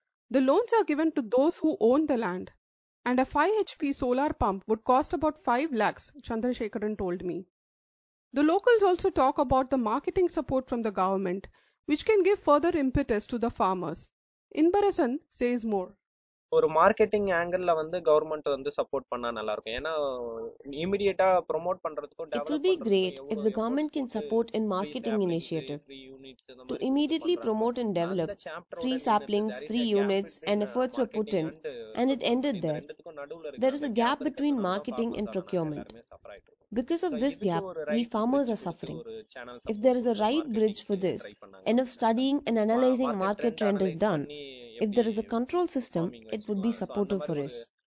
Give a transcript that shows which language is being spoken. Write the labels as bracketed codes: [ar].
[en] The loans are given to those who own the land. And a 5 HP solar pump would cost about 5 lakhs, Chandrasekharan told me. The locals also talk about the marketing support from the government, which can give further impetus to the farmers. Inbarasan says more. [ta] ஒரு marketing angle வந்து government வந்து support பண்ணா நல்லா இருக்கும். ஏன்னா இமிடியேட்டா promote பண்றதுக்கு develop [en] It will be great if the government can support in marketing initiative to immediately promote and develop free saplings free units and efforts were put in and it ended there there is a gap between marketing and procurement Because of this gap, we farmers are suffering. If there is a right bridge for this, enough studying and analyzing market trend is done, if there is a control system, it would be supportive for us.